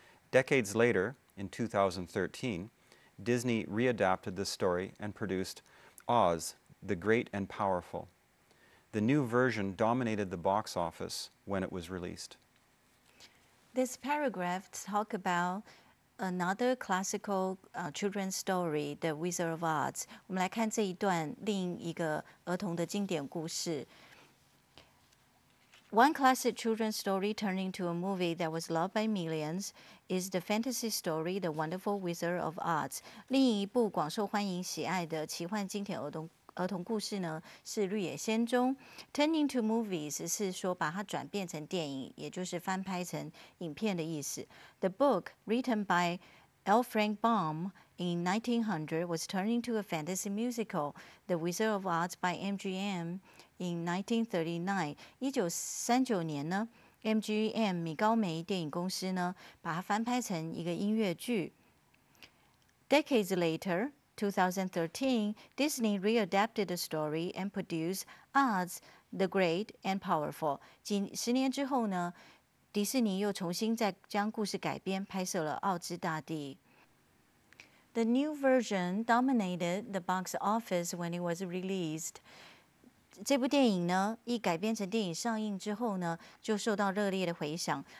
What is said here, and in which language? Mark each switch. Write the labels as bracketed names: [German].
[English] Decades later, in 2013, Disney readapted the story and produced Oz, the Great and Powerful. The new version dominated the box office when it was released. This paragraph talks about another classical children's story, The Wizard of Oz. [Chinese] 我们来看这一段另一个儿童的经典故事。 [English] One classic children's story turning into a movie that was loved by millions is the fantasy story The Wonderful Wizard of Oz. [Chinese] 另一部广受欢迎喜爱的奇幻经典儿童故事呢是绿野仙踪。 [English] Turning to movies [Chinese] 是说把它转变成电影也就是翻拍成影片的意思。 [English] The book written by L. Frank Baum in 1900 was turned into a fantasy musical The Wizard of Oz by MGM. In 1939, [Chinese] 1939年呢 ，MGM 米高梅电影公司呢，把它翻拍成一个音乐剧。 [English] Decades later, 2013, Disney readapted the story and produced Oz, the Great and Powerful. [Chinese] 十年之后呢，迪士尼又重新再将故事改编，拍摄了《奥兹大帝》。 [English] The new version dominated the box office when it was released. [Chinese] 这部电影呢，一改编成电影上映之后呢，就受到热烈的回响。